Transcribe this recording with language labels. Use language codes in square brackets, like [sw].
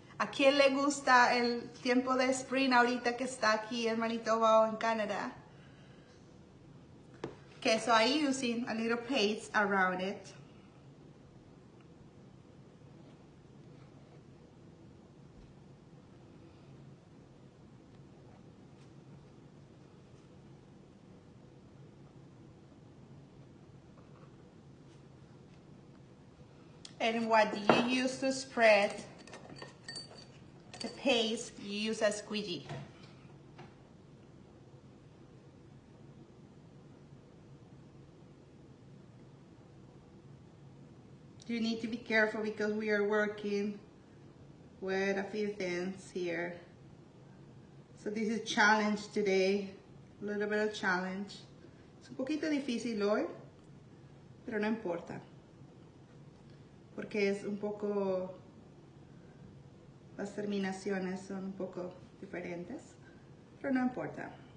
[es] ¿A quién le gusta el tiempo de spring ahorita que está aquí en Manitoba o en Canadá? [en] Okay, so I'm using a little paste around it. And what do you use to spread the paste? You use a squeegee. You need to be careful because we are working with a few things here. So this is challenge today, a little bit of challenge. [es] It's un poquito difícil hoy, pero no importa. Porque es un poco, las terminaciones son un poco diferentes, pero no importa.